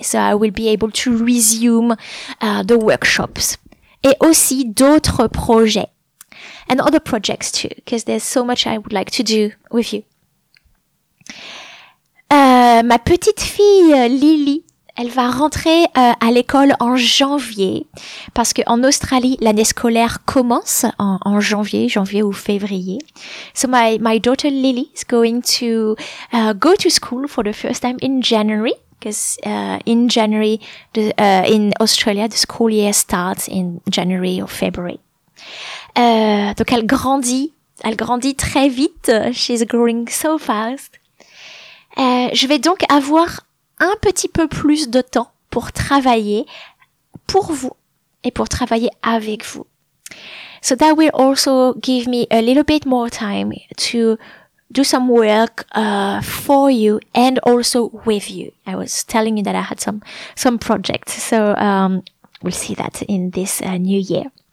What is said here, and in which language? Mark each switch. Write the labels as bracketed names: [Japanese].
[English] So I will be able to resume the workshops. [French] Et aussi d'autres projets. [English] And other projects too, because there's so much I would like to do with you. [French] Ma petite fille Lily, elle va rentrer à l'école en janvier, parce qu'en Australie, l'année scolaire commence en janvier ou février. [English] So my daughter Lily is going to go to school for the first time in January. Because in January, in Australia, the school year starts in January or February. [French] Donc elle grandit très vite. [English] She's growing so fast. [French] Je vais donc avoir un petit peu plus de temps pour travailler pour vous et pour travailler avec vous. [English] So that will also give me a little bit more time to do some work for you and also with you. I was telling you that I had some projects, so we'll see that in this new year.